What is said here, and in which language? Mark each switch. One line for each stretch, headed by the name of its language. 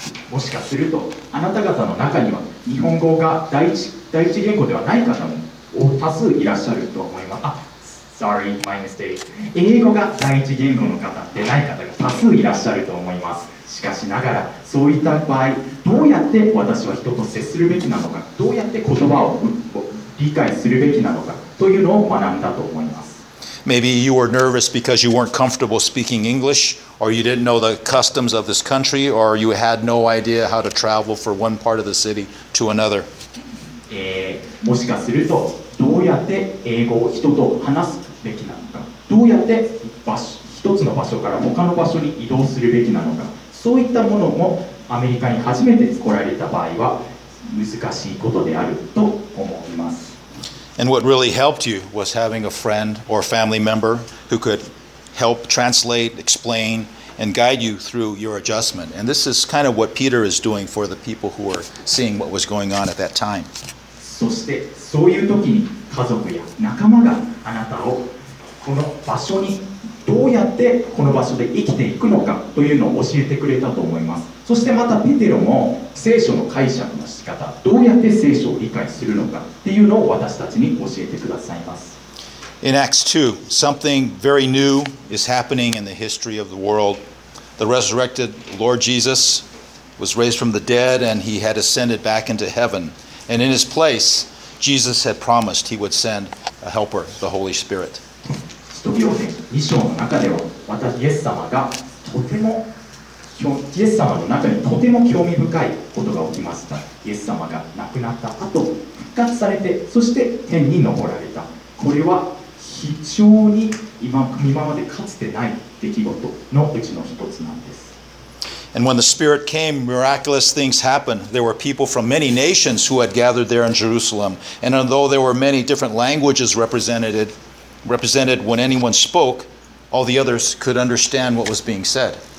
Japanese: もしかすると、あなた方の中には日本語が第一言語ではない方も多数いらっしゃると思います。
English: Sorry, my mistake.
Japanese: 英語が第一言語の方でない方が多数いらっしゃると思います。しかしながらそういった場合、どうやって私は人と接するべきなのか、どうやって言葉を理解するべきなのかというのを学んだと思います。
English: Maybe you were nervous because you weren't comfortable speaking English, or you didn't know the customs of this country, or you had no idea how to travel from one part of the city to another.
Japanese: もしかするとどうやって英語を人と話すべきなのか、どうやって一つの場所から他の場所に移動するべきなのか、そういったものもアメリカに初めて来られた場合は難しいことであると思います。
English: And what really helped you was having a friend or family member who could help translate, explain and guide you through your adjustment. And this is kind of what Peter is doing for the people who were seeing what was going on at that time.
Japanese: そしてそういう時に家族や仲間があなたをこの場所にどうやってこの場所で生きていくのかというのを教えてくれたと思います。そしてまたペテロも聖書の解釈の仕方、どうやって聖書を理解するのかっていうのを私たちに教えてくださいます。
English: In Acts 2, something very new is happening in the history of the world. The resurrected Lord Jesus was raised from the dead and he had ascended back into heaven. And in his place, Jesus had promised he would send a helper, the Holy Spirit.
Japanese: 使徒行伝2章の中では、またイエス様がとてもイエス様の中にとても興味深いことが起きました。イエス様が亡くなった後、復活されて、そして天に昇られた。これは非常に今までかつてない出来事のうちの一つなんです。
English: And when the Spirit came, miraculous things happened. There were people from many nations who had gathered there in Jerusalem. And although there were many different languages represented when anyone spoke, all the others could understand what was being said.